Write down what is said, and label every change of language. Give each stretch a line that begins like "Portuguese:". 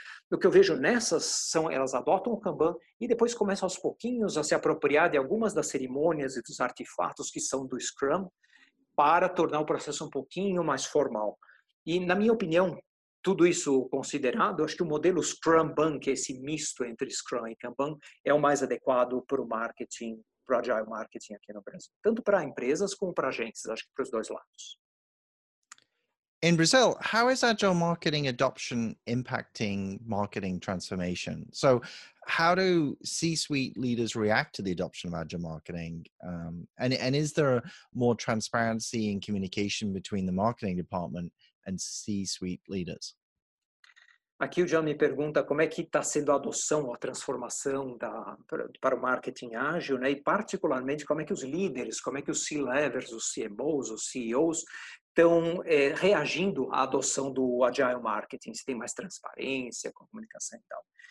Portuguese: O que eu vejo nessas são elas adotam o Kanban e depois começam aos pouquinhos a se apropriar de algumas das cerimônias e dos artefatos que são do Scrum para tornar o processo um pouquinho mais formal. E, na minha opinião, tudo isso considerado, acho que o modelo Scrumban, que é esse misto entre Scrum e Kanban, é o mais adequado para o marketing, para o Agile Marketing aqui no Brasil. Tanto para empresas como para agências, acho que para os dois lados.
English: In Brazil, how is agile marketing adoption impacting marketing transformation? So how do C-suite leaders react to the adoption of agile marketing? And is there more transparency and communication between the marketing department and C-suite leaders?
Portuguese: Aqui o John me pergunta como é que está sendo a adoção, a transformação para o marketing ágil, né? E particularmente como é que os líderes, como é que os C-levers, os CMOs, os CEOs estão reagindo à adoção do Agile Marketing, se tem mais transparência com a comunicação e tal.